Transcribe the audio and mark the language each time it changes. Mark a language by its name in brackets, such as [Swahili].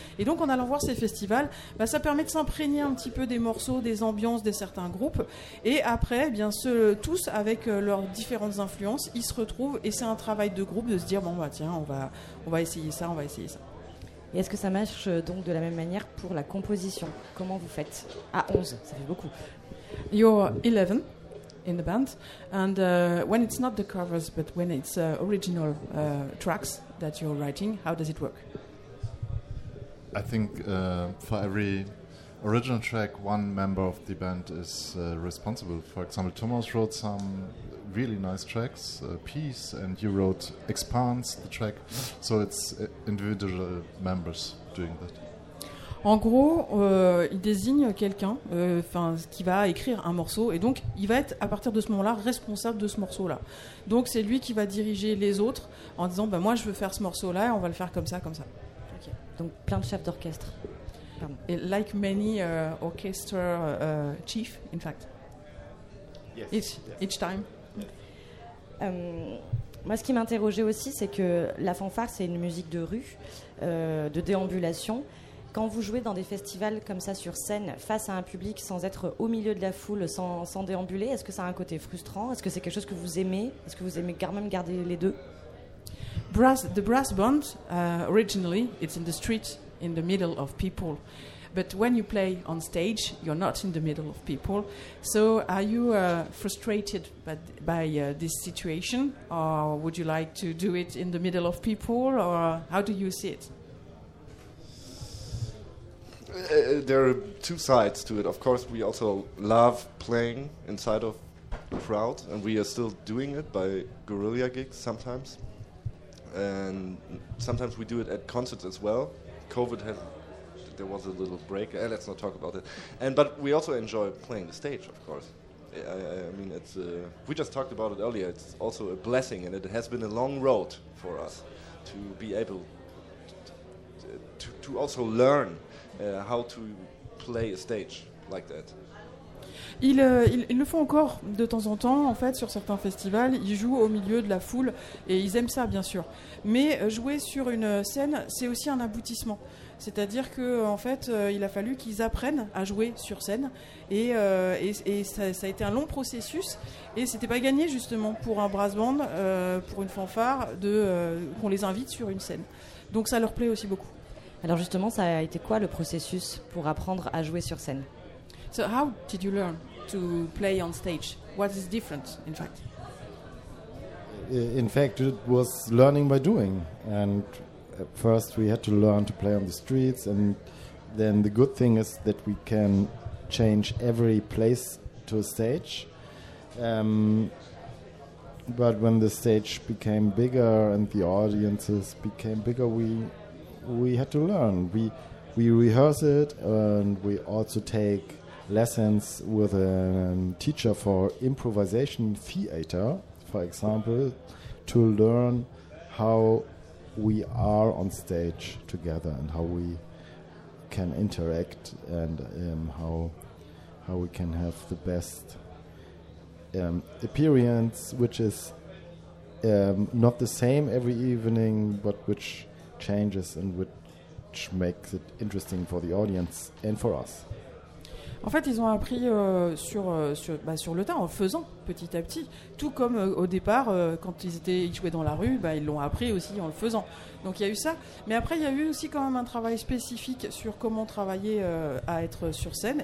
[French] Et donc, en allant voir ces festivals, bah, ça permet de s'imprégner un petit peu des morceaux, des ambiances des certains groupes. Et après, eh bien, tous avec leurs différentes influences, ils se retrouvent, et c'est un travail de groupe de se dire bon bah tiens, on va essayer ça, on va essayer ça. Et est-ce que ça marche donc de la même manière pour la composition? Comment vous faites à 11? Ça fait beaucoup. [English] You're 11 in the band, and when it's not the covers, but when it's original tracks that you're writing, how does it work? I think for every original track, one member of the band is responsible. For example, Thomas wrote some really nice tracks, Peace, and you wrote Expanse, the track. So it's individual members doing that. [French] En gros, il désigne quelqu'un qui va écrire un morceau, et donc il va être à partir de ce moment-là responsable de ce morceau-là. Donc c'est lui qui va diriger les autres en disant bah, « moi je veux faire ce morceau-là et on va le faire comme ça, comme ça okay. ». Donc plein de chefs d'orchestre. [English] Pardon. Like many orchestra chief, in fact. Yes. Each time. Yes. [French] Moi, ce qui m'interrogeait aussi, c'est que la fanfare, c'est une musique de rue, de déambulation. Quand vous jouez dans des festivals comme ça sur scène, face à un public, sans être au milieu de la foule, sans déambuler, est-ce que ça a un côté frustrant? Est-ce que c'est quelque chose que vous aimez? Est-ce que vous aimez quand même garder les deux? [English] The brass band, originally, it's in the street, in the middle of people. But when you play on stage, you're not in the middle of people. So are you frustrated by this situation? Or would you like to do it in the middle of people? Or how do you see it? There are two sides to it. Of course, we also love playing inside of a crowd, and we are still doing it by guerrilla gigs sometimes. And sometimes we do it at concerts as well. COVID has... There was a little break. Let's not talk about it. But we also enjoy playing the stage, of course. I mean, it's we just talked about it earlier. It's also a blessing, and it has been a long road for us to be able to also learn how to play a stage like that. [French] Ils le font encore de temps en temps, en fait, sur certains festivals. Ils jouent au milieu de la foule, et ils aiment ça, bien sûr. Mais jouer sur une scène, c'est aussi un aboutissement. C'est-à-dire que, en fait, il a fallu qu'ils apprennent à jouer sur scène, et ça a été un long processus. Et c'était pas gagné justement pour un brass band, pour une fanfare, qu'on les invite sur une scène. Donc ça leur plaît aussi beaucoup. Alors justement, ça a été quoi le processus pour apprendre à jouer sur scène? [English] So how did you learn to play on stage? What is different, in fact? In fact, it was learning by doing. And first we had to learn to play on the streets, and then the good thing is that we can change every place to a stage. But when the stage became bigger and the audiences became bigger, we had to learn. We rehearse it, and we also take lessons with a teacher for improvisation theater, for example, to learn how we are on stage together and how we can interact and how we can have the best appearance, which is not the same every evening, but which changes and which makes it interesting for the audience and for us. [French] En fait, ils ont appris sur le tas, en faisant petit à petit. Tout comme au départ, quand ils jouaient dans la rue, ils l'ont appris aussi en le faisant. Donc il y a eu ça. Mais après, il y a eu aussi quand même un travail spécifique sur comment travailler à être sur scène.